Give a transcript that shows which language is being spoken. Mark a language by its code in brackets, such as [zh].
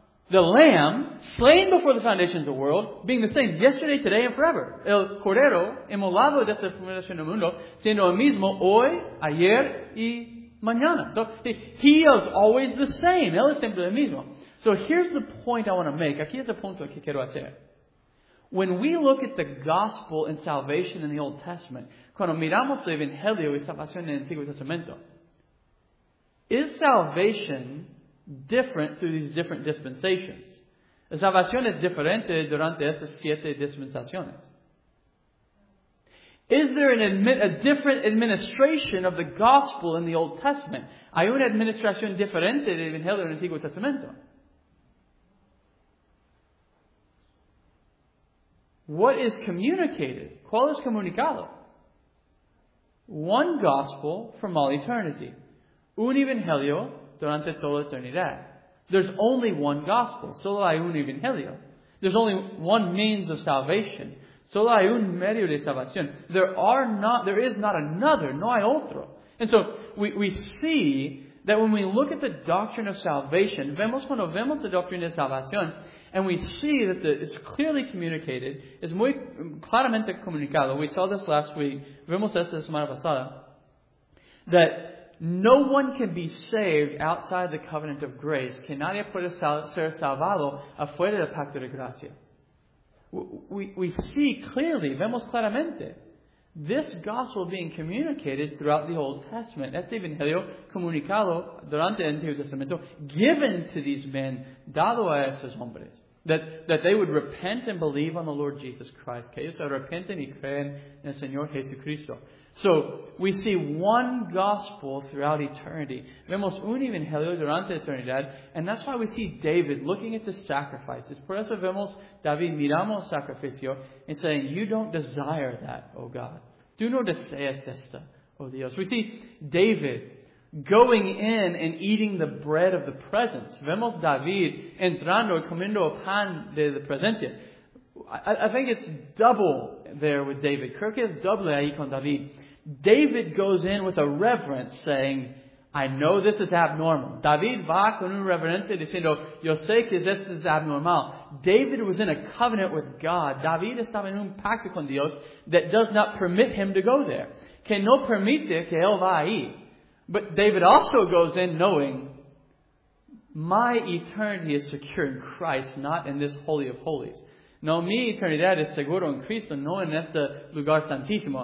[en] The lamb, slain before the foundations of the world, being the same yesterday, today, and forever. [es] El cordero, inmolado desde la fundación del mundo, siendo el mismo hoy, ayer, y mañana. [en] He is always the same. [es] Él es siempre el mismo. [en] So here's the point I want to make. [es] Aquí es el punto que quiero hacer. [en] When we look at the gospel and salvation in the Old Testament, [es] cuando miramos el Evangelio y salvación en el Antiguo Testamento, [en] is salvation different through these different dispensations? [es] La salvación es diferente durante estas siete dispensaciones. [en] Is there a different administration of the gospel in the Old Testament? [es] ¿Hay una administración diferente del Evangelio en el Antiguo Testamento? [en] What is communicated? [es] ¿Cuál es comunicado? [en] One gospel from all eternity. [es] Un Evangelio durante toda la eternidad. [en] There's only one gospel. [es] Solo hay un evangelio. [en] There's only one means of salvation. [es] Solo hay un medio de salvación. [en] There is not another. [es] No hay otro. [en] And so we see that when we look at the doctrine of salvation, [es] vemos cuando vemos la doctrina de salvación, [en] and we see that it's clearly communicated, [es] es muy claramente comunicado. [en] We saw this last week. [es] Vemos esto la semana pasada. [en] That no one can be saved outside the covenant of grace. [es] Que nadie puede ser salvado afuera del pacto de gracia. [en] We see clearly, [es] vemos claramente, [en] this gospel being communicated throughout the Old Testament. [es] Este evangelio comunicado durante el Antiguo Testamento, [en] given to these men, [es] dado a estos hombres, [en] that they would repent and believe on the Lord Jesus Christ. [es] Que ellos arrepenten y creen en el Señor Jesucristo. [en] So, we see one gospel throughout eternity. [es] Vemos un evangelio durante eternidad. [en] And that's why we see David looking at the sacrifices. [es] Por eso vemos David mirando el sacrificio [en] and saying, you don't desire that, oh God. [es] Tú no deseas esto, oh Dios. [en] We see David going in and eating the bread of the presence. [es] Vemos David entrando y comiendo el pan de la presencia. [en] I think it's double there with David. [es] Creo que es doble ahí con David. [en] David goes in with a reverence saying, I know this is abnormal. [es] David va con un reverente diciendo, yo sé que esto es abnormal. [en] David was in a covenant with God. [es] David estaba en un pacto con Dios [en] that does not permit him to go there. [es] Que no permite que él va ahí. [en] But David also goes in knowing my eternity is secure in Christ, not in this Holy of Holies. [es] No, mi eternidad es seguro en Cristo, no en este lugar santísimo.